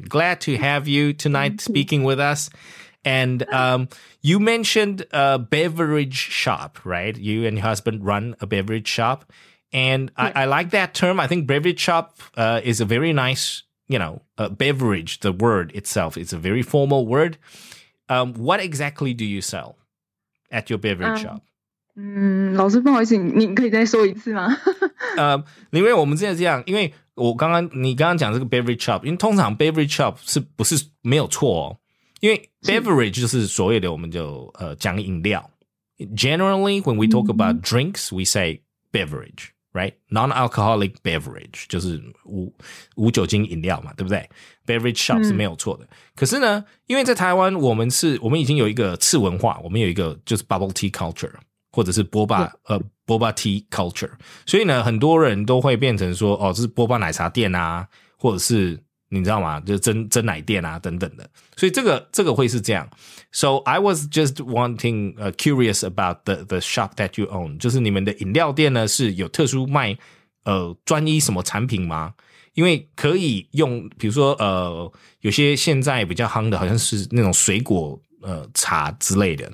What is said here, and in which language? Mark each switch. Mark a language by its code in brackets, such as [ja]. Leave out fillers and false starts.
[en] Glad to have you tonight speaking with us. And you mentioned a beverage shop, right? You and your husband run a beverage shop. And I like that term. I think beverage shop is a very nice... beverage, the word itself, it's a very formal word. What exactly do you sell at your beverage shop? [zh] 老师不好意思，你可以再说一次吗？因为我们现在这样，因为我刚刚你刚刚讲这个 beverage shop, 因为通常 beverage shop 是不是没有错哦？因为 beverage 就是所谓的我们就讲饮料。 [en] Generally, when we talk about drinks, we say beverage. Right? Non-alcoholic beverage, [zh] 就是 无酒精饮料嘛，对不对？ Beverage shop 是没有错的。可是呢，因为在台湾我们已经有一个次文化，我们有一个就是 [en] bubble tea culture, [zh] 或者是 [en] boba tea culture。 [zh] 所以呢，很多人都会变成说，哦，这是boba奶茶店啊，或者是你知道吗？就是真奶店啊等等的。所以这个会是这样。 [en] So I was just wanting, curious about the shop that you own. [zh] 就是你们的饮料店呢是有特殊卖专一什么产品吗？因为可以用比如说有些现在比较夯的好像是那种水果茶之类的。